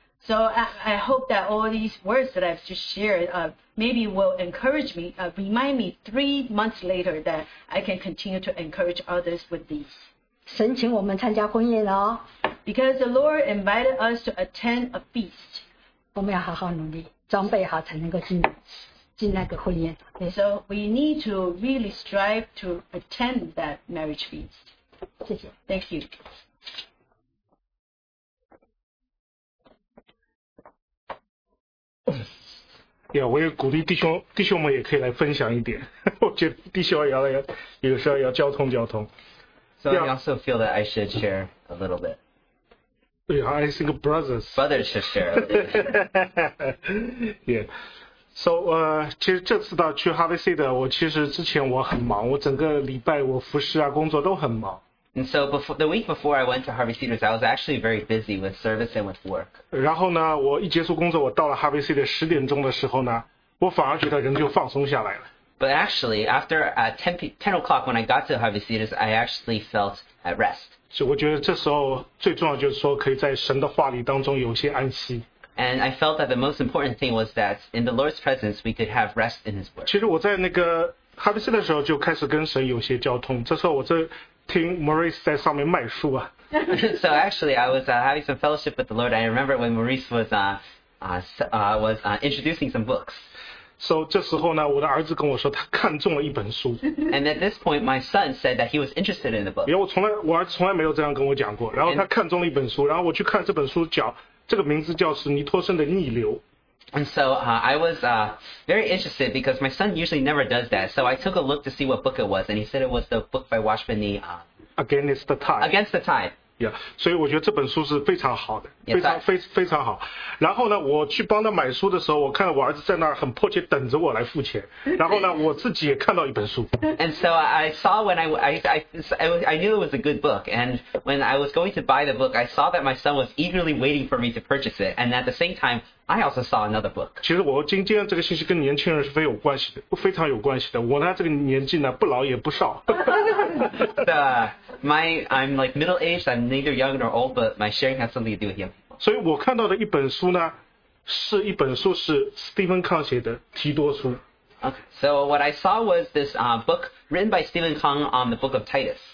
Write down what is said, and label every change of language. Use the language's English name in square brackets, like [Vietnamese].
[English] So I hope that all these words that I've just shared maybe will encourage me, remind me 3 months later that I can continue to encourage others with these. [Chinese] 神请我们参加婚宴哦。 [English] Because the Lord invited us to attend a feast. [Chinese] 我们要好好努力，装备好才能够进那个婚宴。 [English] So we need to really strive to attend that marriage feast. [Chinese] 谢谢。 [English] Thank you. Yeah, [Chinese] 我也鼓励弟兄们也可以来分享一点。我觉得弟兄也有时候要交通交通。 [English] So yeah. I also feel that I should share a little bit. Yeah, I think brothers. Brothers should share a little bit. Yeah. So, [Chinese] 其实这次到去 Harvey Cedar, 我其实之前我很忙，我整个礼拜我服侍啊工作都很忙。 [English] And so the week before I went to Harvey Cedars, I was actually very busy with service and with work. [Chinese] 然后呢，我一结束工作，我到了 Harvey Cedars 十点钟的时候呢，我反而觉得人就放松下来了。 [English] But actually, after ten o'clock when I got to Harvey Cedars, I actually felt at rest. [Chinese] 所以我觉得这时候最重要就是说，可以在神的话里当中有些安息。 [English] And I felt that the most important thing was that in the Lord's presence, we could have rest in His word. [Chinese] 其实我在那个 Harvey Cedars 的时候就开始跟神有些交通，这时候我这。听 Maurice 在上面卖书啊。 [English] So actually, I was having some fellowship with the Lord. I remember when Maurice was introducing some books. So [Chinese] 这时候呢，我的儿子跟我说他看中了一本书。 [English] And at this point, my son said that he was interested in the book. [Chinese] 我儿子从来没有这样跟我讲过。然后他看中了一本书，然后我去看这本书讲这个名字叫是尼托生的逆流。 [English] And so I was very interested because my son usually never does that. So I took a look to see what book it was, and he said it was the book by Washburn Nee. Against the Tide. Against the Tide. Yeah. [Chinese] 所以我觉得这本书是非常好的， [English] yes, [Chinese] 非常好。然后呢，我去帮他买书的时候，我看到我儿子在那儿很迫切等着我来付钱。然后呢，我自己也看到一本书。 [English] And so I saw when I knew it was a good book, and when I was going to buy the book, I saw that my son was eagerly waiting for me to purchase it, and at the same time. I also saw another book. [Chinese] 其实我今天这个信息跟年轻人是非有关系的，非常有关系的。我呢这个年纪呢不老也不少。 [English] I'm like middle aged. I'm neither young nor old, but my sharing has something to do with young people. [Chinese] 所以我看到的一本书呢，是一本书是 Stephen Kong 写的《提多书》。 [English] So what I saw was this book written by Stephen Kong on the book of Titus.